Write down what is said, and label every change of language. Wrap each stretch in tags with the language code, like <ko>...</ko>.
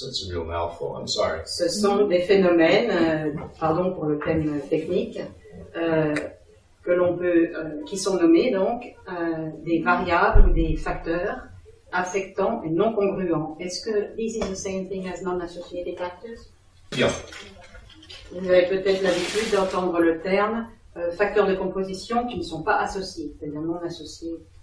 <en>That's a real mouthful, I'm sorry.</en> <fr>Ce sont des phénomènes, pardon pour le thème technique, que l'on peut, qui sont nommés donc des variables ou des facteurs affectants et non congruents. Est-ce que</fr> <en>this is the same thing as non-associated factors? Yeah.</en> <fr>Vous avez peut-être l'habitude d'entendre le terme facteurs de composition qui ne sont pas associés, c'est-à-dire non associés.</fr>